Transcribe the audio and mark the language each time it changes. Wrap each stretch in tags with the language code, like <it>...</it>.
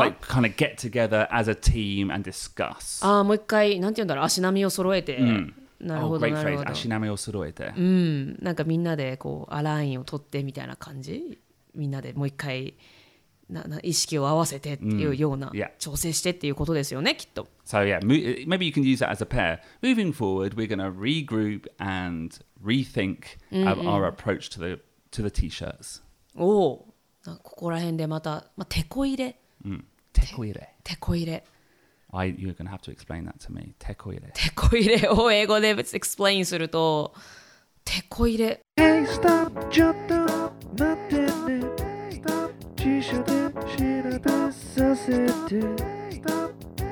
<en>Yeah, it's like kind of get together as a team and discuss.</en> <ja>あ、もう一回、なんて言うんだろう、足並みを揃えて。 Mm. なるほど、</ja> <en>oh, great</en> <ja>なるほど。</ja> <en>Great phrase,</en> <ja>足並みを揃えて。うん、なんかみんなでこう、アラインを取ってみたいな感じ。みんなでもう一回、意識を合わせてっていうような、 mm. yeah. 調整してっていうことですよね、きっと。</ja> <en>So yeah, maybe you can use that as a pair. Moving forward, we're going to regroup and rethink our approach to the T-shirts.</en> <ja>Oh, ここら辺でまた、まあ、テコ入れ。うん、テコ入れ。テコ入れ。</ja> <en>You're going to have to explain that to me.</en> <ja>テコ入れ。テコ入れを英語で explain すると、テコ入れ。</ja> <en>Hey, stop,</en> <ja>ちょっと待ってね。Stop, T-shirt で調べさせて。</ja>